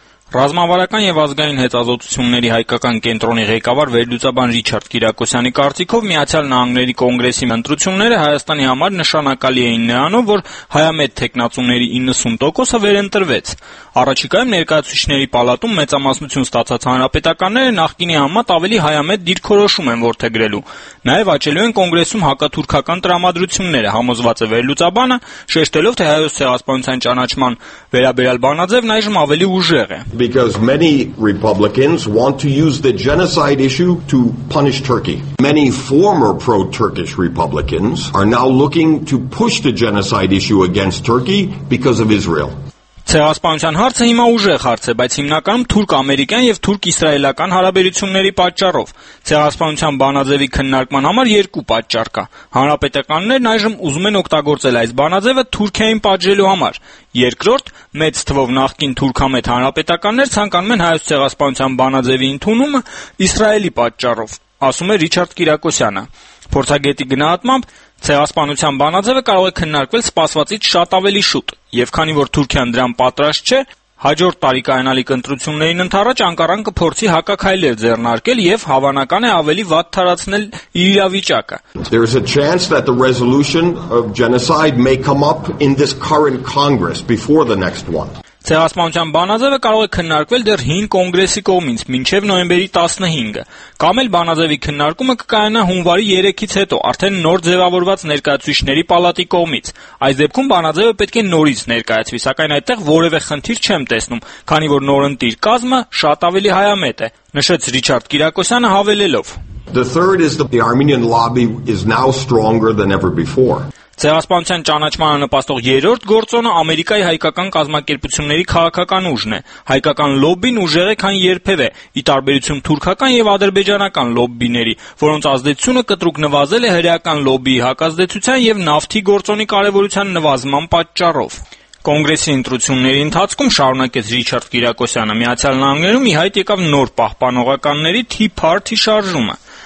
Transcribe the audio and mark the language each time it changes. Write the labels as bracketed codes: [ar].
[hy] Ռազմավարական եւ ազգային հետազոտությունների հայկական կենտրոնի ղեկավար վերլուծաբան Ռիչարդ Կիրակոսյանի կարծիքով Միացյալ Նահանգների կոնգրեսի ընտրությունները Հայաստանի համար նշանակալի էին նրանով, որ հայամետ թեկնածուների 90% վերընտրվեց։ Առաջիկայում ներկայացուցիչների պալատում մեծամասնություն ստացած հանրապետականները նախկինի համար ավելի հայամետ դիրքորոշում են որթե գրելու։ Նաև աճելու են կոնգրեսում հակաթուրքական տրամադրությունները, համոզված է վերլուծաբանը, շեշտելով, թե հայոց ցեղասպանության ճանաչման վերաբերյալ բանաձևն այժմ ավելի ուժեղ է. [en] Because many Republicans want to use the genocide issue to punish Turkey. Many former pro-Turkish Republicans are now looking to push the genocide issue against Turkey because of Israel. [hy] Ցեղասպանության հարցը հիմա ուժեղ հարց է, բայց հիմնականում թուրք-ամերիկյան եւ թուրք-իսրայելական հարաբերությունների պատճառով։ Ցեղասպանության բանաձևի քննարկման համար երկու պատճառ կա։ Հանրապետականներն այժմ ուզում են օգտագործել այս բանաձևը Թուրքիային պատժելու համար։ Երկրորդ, մեծ թվով նախկին թուրքամետ հանրապետականներ ցանկանում են հայոց ցեղասպանության բանաձևի ընդունումը իսրայելի պատճառով, ասում է Ռիչարդ Կիրակոսյանը։ Փորձագետի գնահատմամբ ցեղասպանության բանաձևը կարող է քննարկվել սպասվածից շատ ավելի շուտ, եւ քանի որ Թուրքիան դրան պատրաստ չէ, հաջորդ տարի կայանալի կընտրություններին ընդառաջ Անկարան կփորձի հակակայլեր ձեռնարկել եւ հավանական է ավելի վատ տարածնել իրավիճակը։ [en] There is a chance that the resolution of genocide may come up in this current Congress before the next one. [hy] Ցեղասպանության բանաձևը կարող է քննարկվել դեռ 5 կոնգրեսի կողմից, մինչև նոյեմբերի 15-ը, կամ էլ բանաձևի քննարկումը կկայանա հունվարի 3-ից հետո, արդեն նոր ձևավորված ներկայացուցիչների պալատի կողմից։ Այս դեպքում բանաձևը պետք է նորից ներկայացվի, սակայն այդտեղ որևէ խնդիր չեմ տեսնում, քանի որ նորընտիր կազմը շատ ավելի հայամետ է, նշեց Ռիչարդ Կիրակոսյանը հավելելով. [en] The third is the Armenian lobby is now stronger than ever before. [hy] Ցեղասպանության ճանաչման նպաստող երրորդ գործոնը Ամերիկայի հայկական կազմակերպությունների քաղաքական ուժն է։ Հայկական լոբբին ուժեղ է, քան երբևէ, ի տարբերություն թուրքական եւ ադրբեջանական լոբբիների, որոնց ազդեցությունը կտրուկ նվազել է հրեական լոբբիի հակազդեցության եւ նավթի գործոնի կարեւորության նվազման պատճառով։ Կոնգրեսի ընտրությունների ընթացքում շարունակեց Ռիչարդ Կիրակոսյանը, Միացյալ Նահանգներում ի հայտ եկավ նոր պահպանողականների Tea Party շարժումը։